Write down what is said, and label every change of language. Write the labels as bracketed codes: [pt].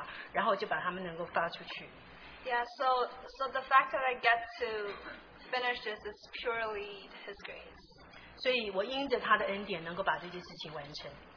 [zh] 就是因为那么短短的时间，主就让我能够有足够的时间预备写这些谢卡，然后就把它们能够发出去。 [en] Yeah, so the fact that I get to finish this is purely His grace. [zh] 所以我因着他的恩典能够把这件事情完成。